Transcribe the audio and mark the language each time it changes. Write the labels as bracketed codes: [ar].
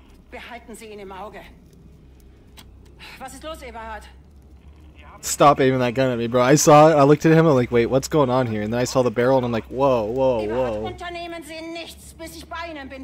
[de] Behalten Sie ihn im Auge. Was ist los, Eberhard? Sie [en] Stop aiming that gun at me, bro. I saw it. I looked at him. I'm like, wait, what's going on here? And then I saw the barrel, and I'm like, whoa, whoa, whoa. [de] Unternehmen Sie nichts, bis ich bei Ihnen bin.